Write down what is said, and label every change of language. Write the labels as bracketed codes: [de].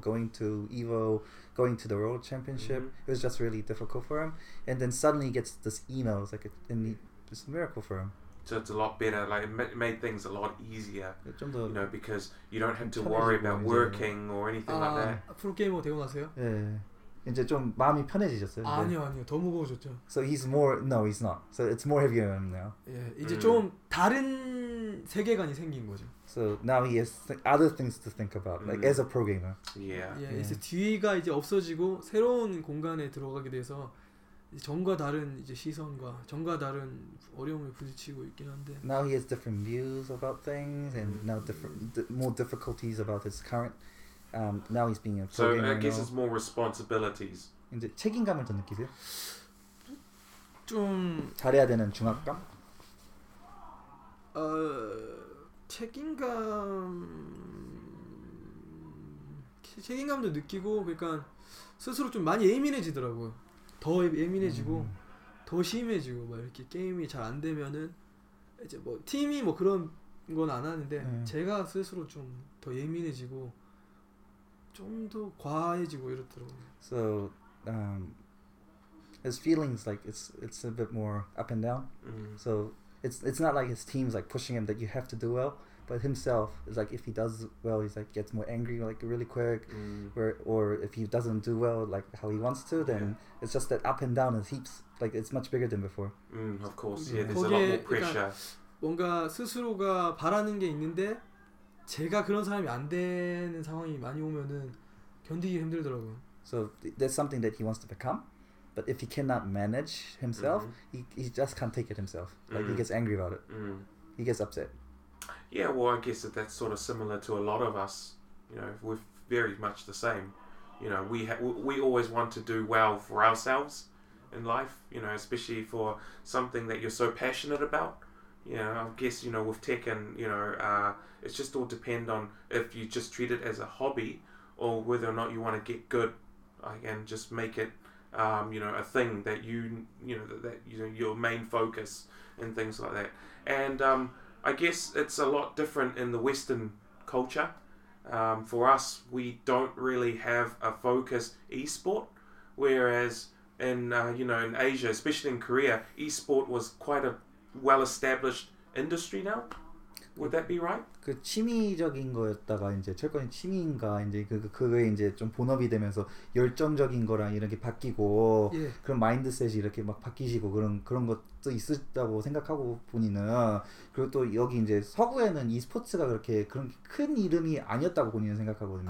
[en] Going to Evo, going to the World Championship, mm-hmm. it was just really difficult for him. And then suddenly he gets this email. It's like it's a miracle for him. So it's a lot better. Like it made things a lot easier. Yeah, [ko] 좀 더, [en] you know, because you don't have to worry about working or anything like that. [ko] 프로 게이머 되고 나서요? 예. 이제 좀 마음이 편해지셨어요? 아니요 아니요 더 무거워졌죠. [en] So he's more no he's not. So it's more heavier now. [ko] 예 [en] yeah, [ko] 이제 좀 다른 세계관이 생긴 거죠. [en] So now he has other things to think about, like as a pro gamer. Yeah. [ko] 예 이제 뒤가 이제 없어지고 새로운 공간에 들어가게 돼서 이제 전과 다른 이제 시선과 전과 다른 어려움을 부딪히고 있긴 한데. [en] Now he has different views about things and now different more difficulties about his current. Now he's being a so I guess it's more responsibilities. [ko] 이제 책임감을 더 느끼세요? 좀 잘해야 되는 중압감? 책임감도 느끼고 그러니까 스스로 좀 많이 예민해지더라고요. 더 예민해지고 더 심해지고 막 이렇게 게임이 잘 안 되면은 이제 뭐 팀이 뭐 그런 건 안 하는데 제가 스스로 좀 더 예민해지고. 좀 더 과해지고 이렇더라고요. [en] So his feelings like it's a bit more up and down. Mm-hmm. So it's not like his team's like pushing him that you have to do well, but himself is like if he does well, he's like gets more angry like really quick. Or if he doesn't do well like how he wants to, then it's just that up and down is heaps like it's much bigger than before. Of course. Yeah, there's a lot more pressure. [ko] 뭔가 스스로가 바라는 게 있는데 제가 그런 사람이 안 되는 상황이 많이 오면은 견디기 힘들더라고. [en] So that's something that he wants to become, but if he cannot manage himself, he just can't take it himself. Like he gets angry about it. He gets upset. Yeah, well, I guess that's sort of similar to a lot of us. You know, we're very much the same. You know, we always want to do well for ourselves in life. You know, especially for something that you're so passionate about. Yeah, you know, I guess, you know, with tech and, you know, it's just all depend on if you just treat it as a hobby or whether or not you want to get good and just make it, you know, a thing that you know, your main focus and things like that. And I guess it's a lot different in the Western culture. For us, we don't really have a focus esport, whereas in, you know, in Asia, especially in Korea, esport was quite a well-established industry now? Would that be right? [ko] 그 취미적인 거였다가 이제 철권이 취미인가 이제 그게 이제 좀 본업이 되면서 열정적인 거랑 이렇게 바뀌고 [en] yeah. [ko] 그런 마인드셋이 이렇게 막 바뀌시고 그런 것도 있었다고 생각하고 본인은 그리고 또 여기 이제 서구에는 e스포츠가 그렇게 그런 큰 이름이 아니었다고 본인은 생각하거든요.